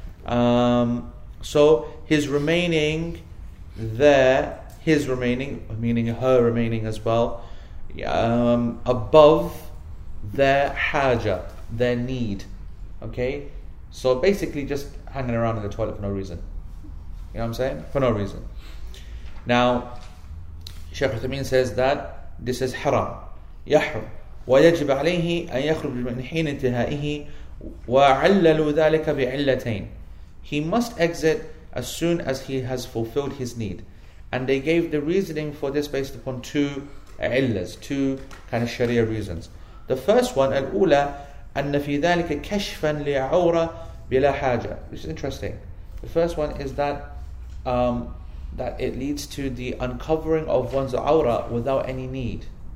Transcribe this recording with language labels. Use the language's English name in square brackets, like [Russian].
[English] So his remaining there, his remaining, meaning her remaining as well, above their haja, their need. Okay? So basically just hanging around in the toilet for no reason. You know what I'm saying? For no reason. Now, Sheikh Uthaymeen says that this is haram. [Arabic] يحرم ويجب عليه أن يخرج من حين انتهائه وعلّلوا ذلك بعلتين. [English] He must exit as soon as he has fulfilled his need. And they gave the reasoning for this based upon two illas, two kind of sharia reasons. The first one, al-ula, [Arabic] أن في ذلك كشفا لعورة بلا حاجة, [English] which is interesting. The first one is that that it leads to the uncovering of one's awra without any need.